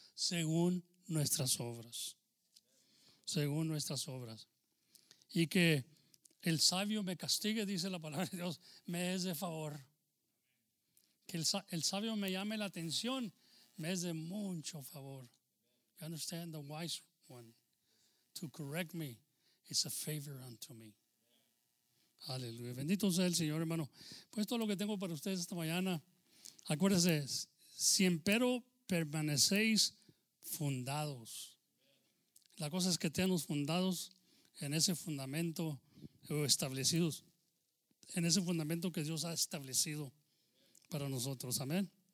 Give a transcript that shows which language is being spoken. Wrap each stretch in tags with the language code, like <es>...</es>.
<es>Según nuestras obras. Según nuestras obras. Y que el sabio me castigue, dice la palabra de Dios, me es de favor. Que el sabio me llame la atención, me es de mucho favor.</es> <en>You understand, the wise one, to correct me, is a favor unto me.</en> <es>Aleluya. Bendito sea el Señor, hermano. Pues todo lo que tengo para ustedes esta mañana, acuérdense, si empero permanecéis fundados. La cosa es que tenemos fundados en ese fundamento o establecidos, en ese fundamento que Dios ha establecido para nosotros. Amén.</es>